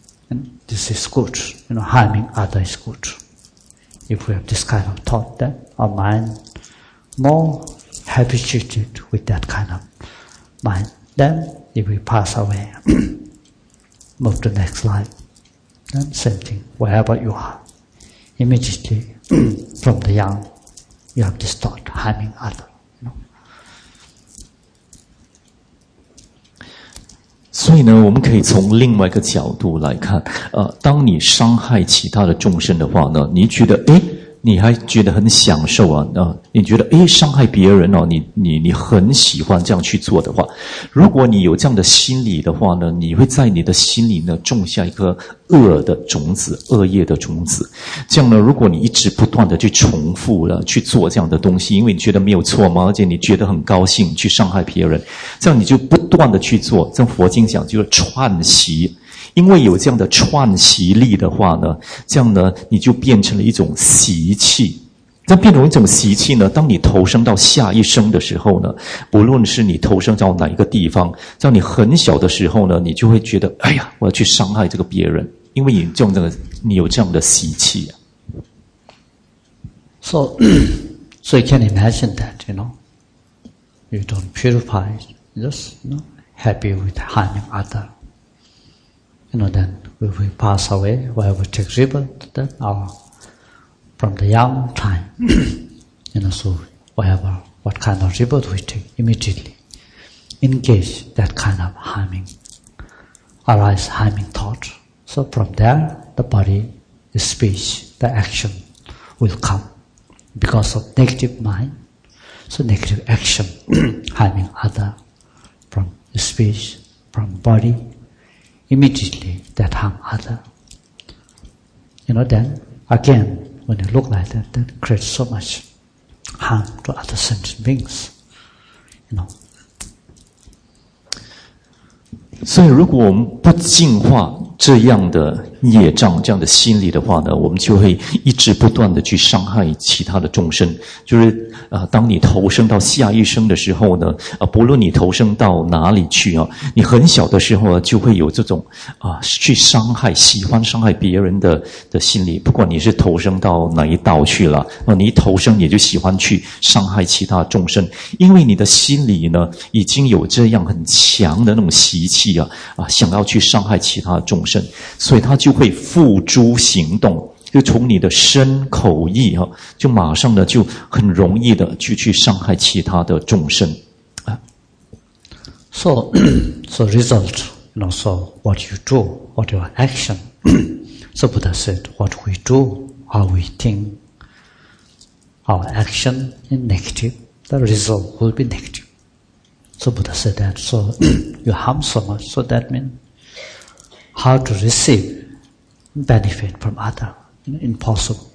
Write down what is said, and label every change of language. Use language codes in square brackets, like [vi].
[en] And this is good, you know, harming other is good. If we have this kind of thought, then our mind more habituated with that kind of mind. Then if we pass away, move to next life, then same thing, wherever you are, immediately from the young,You have to start harming others. No? [zh] 所以呢，我们可以从另外一个角度来看，当你伤害其他的众生的话呢，你觉得，哎，你还觉得很享受啊，你觉得，哎，伤害别人哦，你很喜欢这样去做的话，如果你有这样的心理的话呢，你会在你的心里呢种下一颗恶的种子，恶业的种子。这样呢，如果你一直不断的去重复了去做这样的东西，因为你觉得没有错嘛，而且你觉得很高兴去伤害别人，这样你就不断的去做。这佛经讲就是串习。因为有这样的串习力的话呢，这样呢，你就变成了一种习气。那变成一种习气呢，当你投生到下一生的时候呢，不论是你投生到哪一个地方，在你很小的时候呢，你就会觉得，哎呀，我要去伤害这个别人，因为你有这样的习气。 [en] So you can imagine that, you know, you don't purify, just, you know, happy with harming other. You know, then if we pass away, while we take rebirth, then our, from the young time, you know, so whatever, what kind of rebirth we take, immediately engage that kind of harming thought. So from there, the body, the speech, the action will come because of negative mind. So negative action, harming other from the speech, from body,Immediately, that harm other. You know, then, again, when you look like that, that creates so much harm to other sentient beings. You know. [zh] 所以如果我们不净化这样的业障这样的心理的话呢，我们就会一直不断的去伤害其他的众生。就是当你投生到下一生的时候呢，不论你投生到哪里去啊，你很小的时候就会有这种去伤害，喜欢伤害别人的心理。不管你是投生到哪一道去了，你一投生也就喜欢去伤害其他众生，因为你的心理呢已经有这样很强的那种习气想要去伤害其他众生，所以他就会付诸行动，就从你的身口意就马上的就很容易的去伤害其他的众生。 [en] So result, so what you do, what your action. So Buddha said, what we do, how we think, our action is negative, the result will be negative. So Buddha said that, so you harm so much, so that means how to receive benefit from other, impossible.